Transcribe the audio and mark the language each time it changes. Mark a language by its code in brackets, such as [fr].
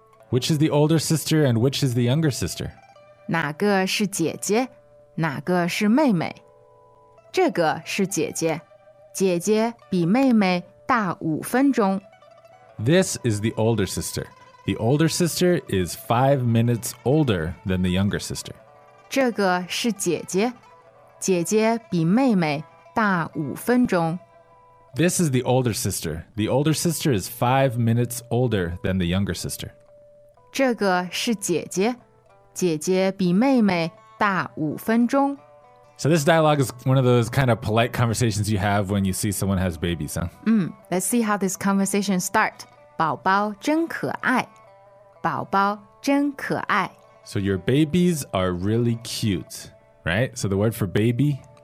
[en] Which is the older sister and which is the younger sister? [zh] 哪个是姐姐?哪个是妹妹? 这个是姐姐, 姐姐比妹妹大5分钟。 [en] This is the older sister. The older sister is 5 minutes older than the younger sister. [zh] 这个是姐姐, 姐姐比妹妹大5分钟。 [en] This is the older sister. The older sister is 5 minutes older than the younger sister. [zh] 这个是姐姐, 姐姐比妹妹大5分钟。 [en] So this dialogue is one of those kind of polite conversations you have when you see someone has babies, huh? Let's see how this conversation starts. [zh] 宝宝真可爱. 宝宝真可爱. [en] So your babies are really cute, right? So the word for baby?